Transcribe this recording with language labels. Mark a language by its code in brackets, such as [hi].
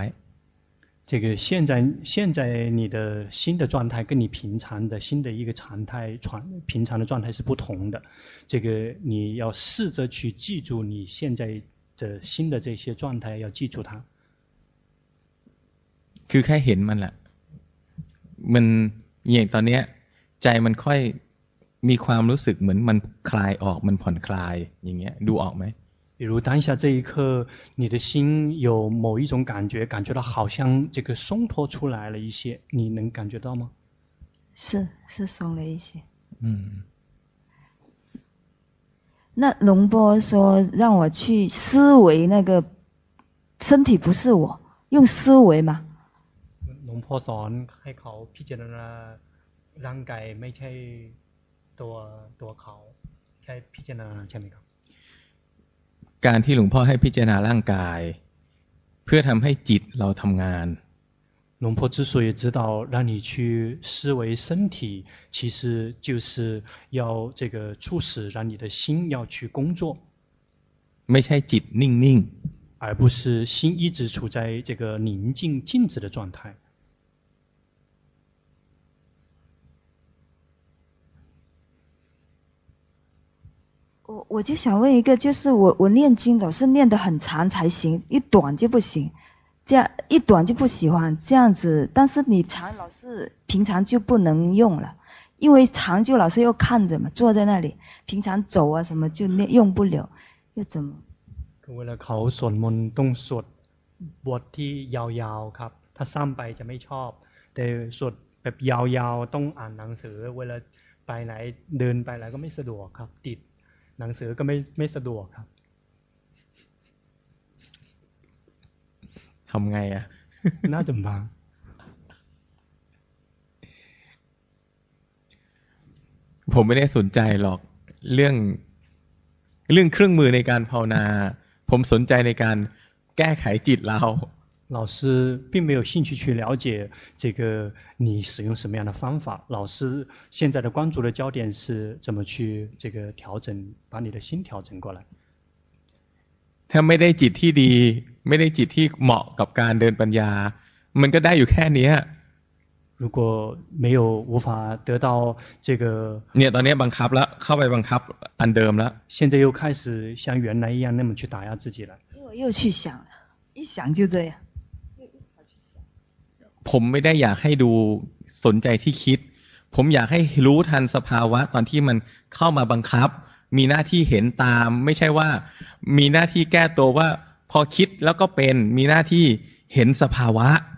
[zh] 这个现在你的心的状态跟你平常的心的一个常态平常的状态是不同的这个你要试着去记住你现在的新的这些状态要记住它 [th] คือแค่เห็นมันแหละมันอย่างตอนนี้ใจมันค่อยมีความรู้สึกเหมือนมันคลายออกมันผ่อนคลายอย่างเงี้ยดูออกไหม [zh] 比如当下这一刻，你的心有某一种感觉，感觉到好像这个松脱出来了一些，你能感觉到吗？是松了一些。嗯。那龙波说让我去思维那个身体不是我，用思维吗？龙波说 [th] ให้เขาพิจารณาร่างกายไม่ใช่ตัวเขาใช่พิจารณาใช่ไหมครับ การที่หลวงพ่อให้พิจารณาร่างกายเพื่อทำให้จิตเราทำงาน [zh] หลวงพ่อ之所以知道让你去思维身体其实就是要这个促使让你的心要去工作 [th] ไม่ใช่จิตนิ่งนิ่ง [zh] 而不是心一直处在这个宁静静止的状态我就想问一个，就是我念经总是念得很长才行，一短就不行，这样一短就不喜欢这样子。但是你长老是平常就不能用了，因为长就老是又看着嘛，坐在那里，平常走啊什么就念用不了，又怎么？为了考 [th] สวดมนต์ต้องสวดบทที่ยาวยาวครับถ้าสั้นไปจะไม่ชอบแต่สวดแบบยาวยาวต้องอ่านหนังสือเวลาไปไหนเดินไปไหนก็ไม่สะดวกครับติดหนังสือก็ไม่สะดวกครับ ทำไงอ่ะ น่าจะบาง ผมไม่ได้สนใจหรอกเรื่องเครื่องมือในการภาวนาผมสนใจในการแก้ไขจิตเรา [zh] 老师并没有兴趣去了解这个你使用什么样的方法老师现在的关注的焦点是怎么去这个调整把你的心调整过来 [th] ถ้าไม่ได้จิตที่ดีไม่ได้จิตที่เหมาะกับการเดินปัญญามันก็ได้อยู่แค่นี้ [zh] 如果没有无法得到这个 [th] เนี่ยตอนนี้บังคับแล้วเข้าไปบังคับอันเดิมแล้ว [zh] 现在又开始像原来一样那么去打压自己了我又去想了一想就这样 [th] ผมไม่ได้อยากให้ดูสนใจที่คิดผมอยากให้รู้ทันสภาวะตอนที่มันเข้ามาบังคับมีหน้าที่เห็นตามไม่ใช่ว่ามีหน้าที่แก้ตัวว่าพอคิดแล้วก็เป็นมีหน้าที่เห็นสภาวะ